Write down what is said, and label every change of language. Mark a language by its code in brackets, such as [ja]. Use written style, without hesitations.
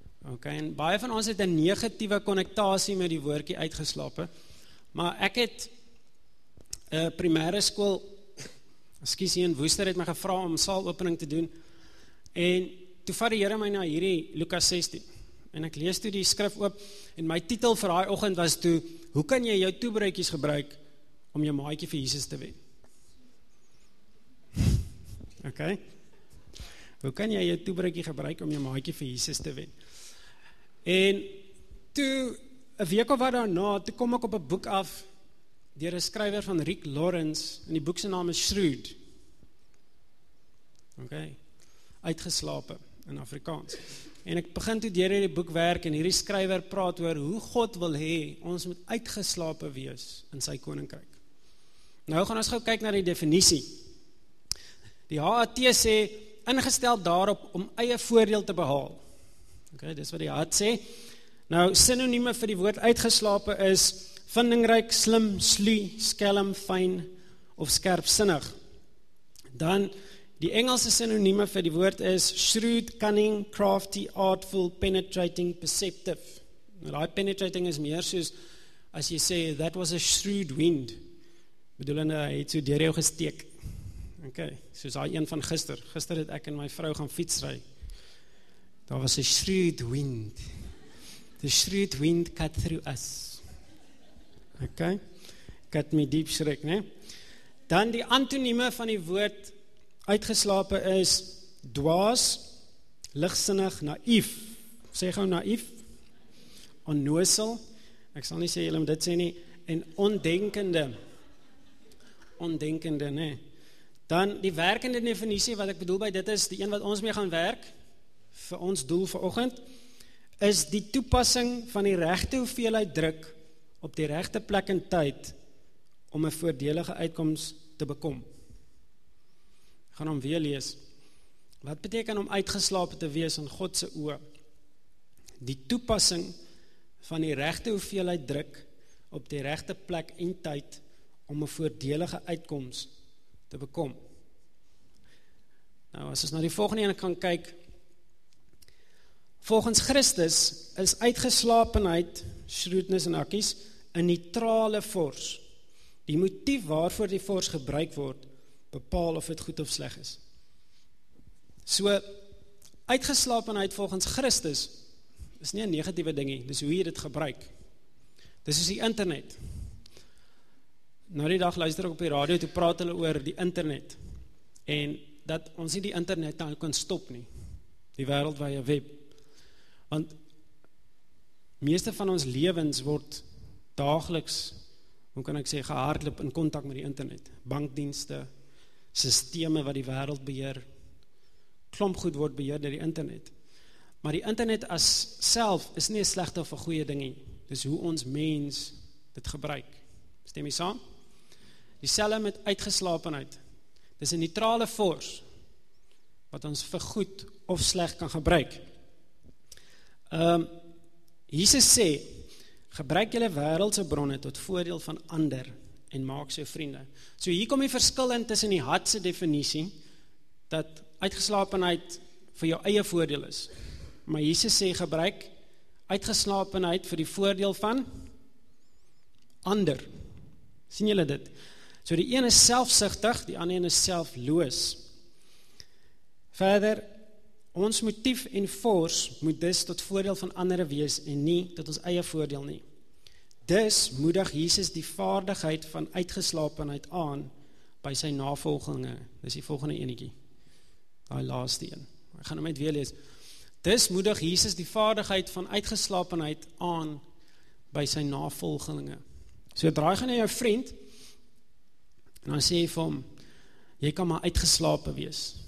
[af] OK, en baie van ons het 'n negatiewe konnektasie met die woordjie uitgeslapen, maar ek het primêre skool, [en] excuse me, [af] in Woester het my gevra om saalopening te doen, en toe vat die Here my na hierdie Lukas 16, en ek lees toe die skrif op, en my titel vir daai oggend was toe, hoe kan jy jou toebroodjies gebruik om jou maatjie vir Jesus te wen? Ok, hoe kan jy jou toebroodjie gebruik om jou maatjie vir Jesus te wen? En toe, een week of wat daarna, toe kom ek op een boek af, dier een skrywer van Rick Lawrence, en die boekse naam is Shrewd. Ok, uitgeslapen in Afrikaans. En ek begin toe dier die boek werk, en hierdie skrywer praat oor hoe God wil hê, ons moet uitgeslapen wees in sy koninkryk. Nou gaan ons gauw kyk na die definisie. Die HAT sê, ingesteld daarop om eie voordeel te behaal. Ok, dis wat die HAT sê. Nou, synonieme vir die woord uitgeslapen is vindingryk, slim, slu, skelm, fyn of skerpsinnig. Dan, die Engelse synonieme vir die woord is shrewd, cunning, crafty, artful, penetrating, perceptive. Nou, die penetrating is meer soos, as jy sê, [en] that was a shrewd wind. [af] Bedoelende, hy het so deur jou gesteek. Ok, soos die een van gister. Gister het ek en my vrou gaan fietsry. Daar was [en] a shrewd wind. The shrewd wind cut through us. [af] Ok, kat my diep schrik, ne? Dan die antonieme van die woord uitgeslapen is dwaas, ligsinnig, naïef. Sê gauw naïef, onnoosel, ek sal nie sê julle om dit sê nie, en ondenkende, ne? Dan die werkende definisie wat ek bedoel by dit is, die een wat ons mee gaan werk, vir ons doel vir oggend, is die toepassing van die regte hoeveelheid druk op die regte plek en tyd om 'n voordelige uitkoms te bekom. Ek gaan hom weer lees. Wat beteken om uitgeslapen te wees in God se oë? Die toepassing van die regte hoeveelheid druk op die regte plek en tyd om 'n voordelige uitkoms te bekom. Nou as ons na die volgende een kan kyk, Volgens Christus is uitgeslapenheid, shrewdness en akkies, een neutrale fors. Die motief waarvoor die fors gebruik word, bepaal of het goed of sleg is. So, uitgeslapenheid volgens Christus is nie een negatieve dingie, dis hoe jy dit gebruik. Dis is die internet. Na die dag luister ek op die radio, toe praat hulle oor die internet. En dat ons nie die internet nou kan stop nie. Die wereldwye web. Want meeste van ons lewens word dageliks, hoe kan ek sê, gehardloop in kontak met die internet. Bankdienste, systeme wat die wereld beheer, klomp goed word beheer deur die internet. Maar die internet as self is nie slegte of 'n goeie dingie. Dis hoe ons mens dit gebruik. Stem jy saam? Die selle met uitgeslapenheid. Dis 'n neutrale force wat ons vir goed of sleg kan gebruik. Jesus sê, gebruik julle wêreldse bronne tot voordeel van ander en maak so vriende. So hier kom die verskil in tussen die hadse definisie dat uitgeslapenheid vir jou eie voordeel is. Maar Jesus sê, gebruik uitgeslapenheid vir die voordeel van ander. Sien julle dit? So die een is selfsugtig, die ander een is selfloos. Verder, ons motief en fors moet dus tot voordeel van andere wees en nie tot ons eie voordeel nie. Dus moedig Jesus die vaardigheid van uitgeslapenheid aan by sy navolginge. Dis die volgende enetjie. Die laaste een. Ek gaan hom net weer lees. Dus moedig Jesus die vaardigheid van uitgeslapenheid aan by sy navolginge. So draai gaan na jou vriend en dan sê jy vir hom, jy kan maar uitgeslapen wees.